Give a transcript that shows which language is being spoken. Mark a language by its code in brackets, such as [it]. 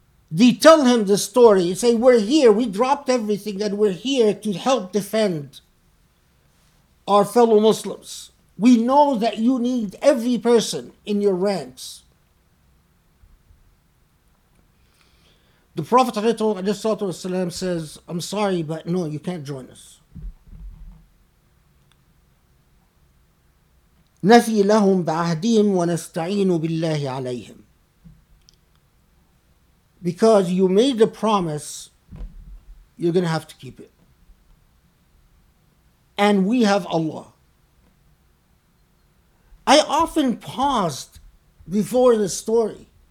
[en] They tell him the story. They say, we're here, we dropped everything, and we're here to help defend our fellow Muslims. We know that you need every person in your ranks. The Prophet says, I'm sorry, but no, you can't join us. [ar] نفي لهم بعهدهم ونستعين بالله عليهم. [en] Because you made the promise, you're going to have to keep it. And we have Allah. I often paused before the story.